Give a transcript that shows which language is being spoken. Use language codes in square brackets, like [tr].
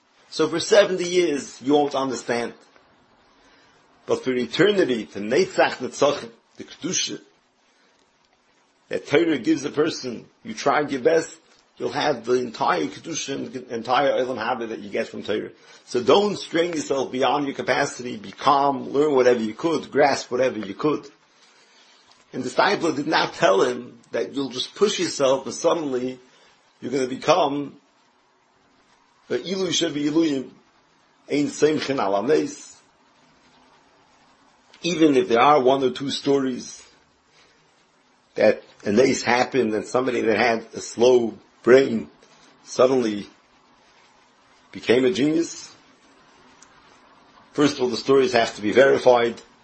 [en] So for 70 years, you won't understand. But for eternity, the Netzach Netzachim, the Kedusha, that Torah gives a person, you tried your best, you'll have the entire Kedusha and entire Olam Haba that you get from Torah. So don't strain yourself beyond your capacity, be calm, learn whatever you could, grasp whatever you could. And the stipler did not tell him that you'll just push yourself and suddenly you're going to become [he] ואילו יישב אילויים, אין סמכן על הנס. [en] Even if there are one or two stories that a nes happened and somebody that had a slow brain suddenly became a genius, first of all, the stories have to be verified.